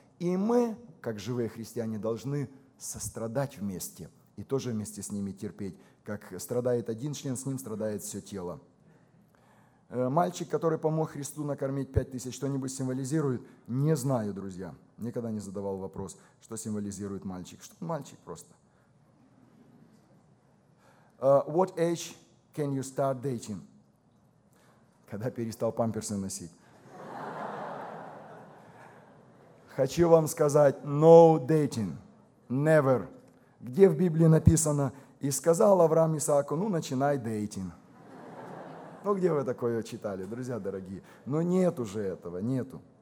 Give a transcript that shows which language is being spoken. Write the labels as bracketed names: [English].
[Russian] И мы, как живые христиане, должны сострадать вместе и тоже вместе с ними терпеть. Как страдает один член, с ним страдает все тело. Мальчик, который помог Христу накормить 5000, что-нибудь символизирует? Не знаю, друзья. Никогда не задавал вопрос, что символизирует мальчик. Что мальчик просто. [English] What age can you start dating? [Russian] Когда перестал памперсы носить. Хочу вам сказать, [English] no dating, never. [Russian] Где в Библии написано... И сказал Авраам Исааку, ну, начинай дейтинг. Ну, где вы такое читали, друзья дорогие? Ну, нет уже этого, нету.